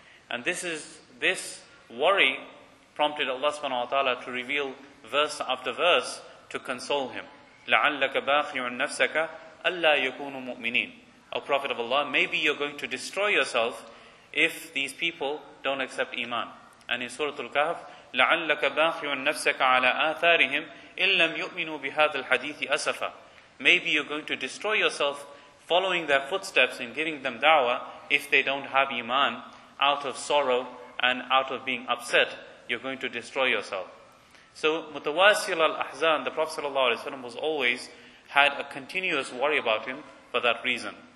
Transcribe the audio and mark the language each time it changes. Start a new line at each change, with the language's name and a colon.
English: And this worry prompted Allah subhanahu wa ta'ala to reveal verse after verse to console him.
Arabic: لَعَلَّكَ بَاخِعٌ نَفْسَكَ أَلَّا يَكُونُ مُؤْمِنِينَ.
English: O Prophet of Allah, maybe you're going to destroy yourself if these people don't accept Iman. And in Surah Al-Kahf,
Arabic: لَعَلَّكَ بَاخِعٌ نَفْسَكَ عَلَىٰ آثَارِهِمْ إِنْ لَمْ يُؤْمِنُوا بِهَذَا الْحَدِيثِ أَسَفًا.
English: Maybe you're going to destroy yourself following their footsteps and giving them da'wah if they don't have Iman, out of sorrow and out of being upset, you're going to destroy yourself. So,
Arabic: متواصل الأحزان,
English: the Prophet ﷺ was always had a continuous worry about him for that reason.